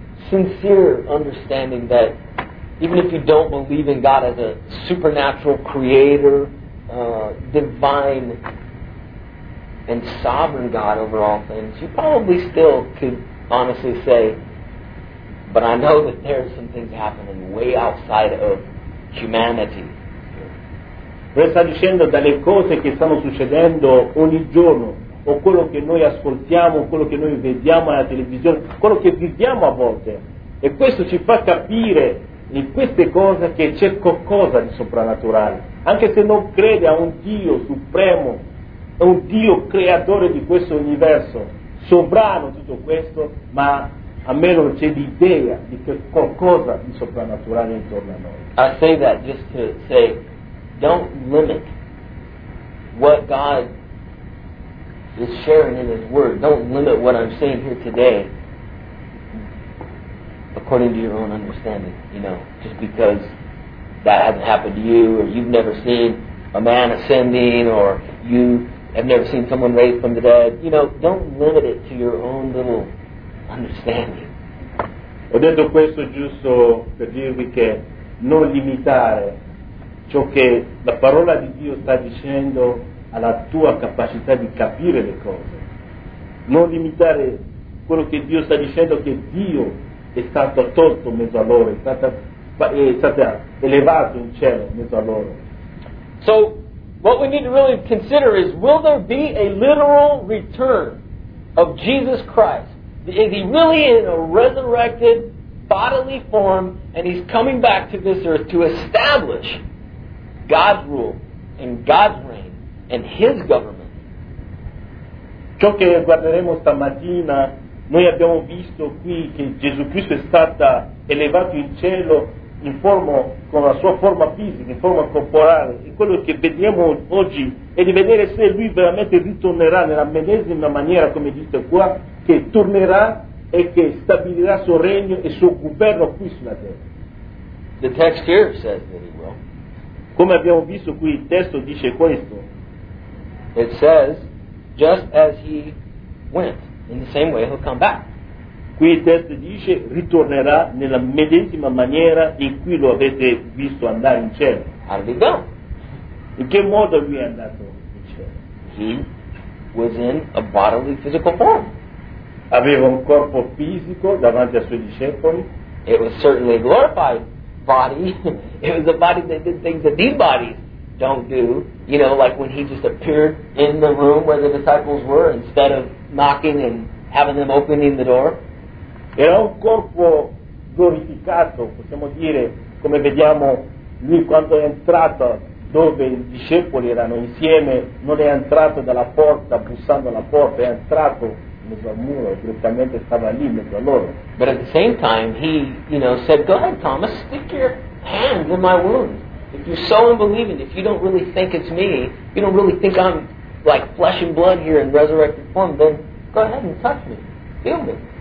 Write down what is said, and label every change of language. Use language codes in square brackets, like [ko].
[en] sincere understanding that even if you don't believe in God as a supernatural creator, divine and sovereign God over all things, you probably still could honestly say, but I know that there are some things happening way outside of humanity. [it] Vorrei stare dicendo dalle cose che stanno succedendo ogni giorno, o quello che noi ascoltiamo, quello che noi vediamo alla televisione, quello che viviamo a volte, e questo ci fa capire in queste cose che c'è qualcosa di soprannaturale. Anche se non crede a un Dio supremo, a un Dio creatore di questo universo, sovrano tutto questo, ma almeno c'è l'idea di che qualcosa di soprannaturale intorno a noi. [en] I say that just to say, don't limit what God is sharing in His Word. Don't limit what I'm saying here today according to your own understanding, you know, just because that hasn't happened to you, or you've never seen a man ascending, or you have never seen someone raised from the dead. You know, don't limit it to your own little understanding. [it] Ho detto questo giusto per dirvi che non limitare ciò che la parola di Dio sta dicendo alla tua capacità di capire le cose. Non limitare quello che Dio sta dicendo, che Dio è stato tolto in mezzo a loro, è stato elevato in cielo in mezzo a loro. [en] So what we need to really consider is, will there be a literal return of Jesus Christ? Is He really in a resurrected bodily form, and He's coming back to this earth to establish God's rule and God's reign and His government? [it] Ciò che guarderemo stamattina, noi abbiamo visto qui che Gesù Cristo è stato elevato in cielo in forma, con la sua forma fisica, in forma corporale, e quello che vediamo oggi e di vedere se lui veramente ritornerà nella medesima maniera, come dice qua, che tornerà e che stabilirà il suo regno e il suo governo qui sulla terra. [en] The text here says that he will. [it] Come abbiamo visto qui, il testo dice questo. [en] It says, just as he went, in the same way he'll come back. [it] Qui il testo dice, ritornerà nella medesima maniera in cui lo avete visto andare in cielo. [en] How did he go? [it] In che modo lui è andato in cielo? [en] He was in a bodily physical form. [it] Aveva un corpo fisico davanti ai suoi discepoli. [en] It was certainly a glorified body. It was a body that did things that these bodies don't do. You know, like when he just appeared in the room where the disciples were instead of knocking and having them opening the door. [it] Era un corpo glorificato, possiamo dire, come vediamo lui quando è entrato dove i discepoli erano insieme, non è entrato dalla porta bussando alla porta, è entrato in mezzo al muro, direttamente stava lì mezzo a loro. [en] But at the same time he, you know, said, go ahead Thomas, stick your hands in my wounds. If you're so unbelieving, if you don't really think it's me, you don't really think I'm like flesh and blood here in resurrected form, then go ahead and touch me, feel me.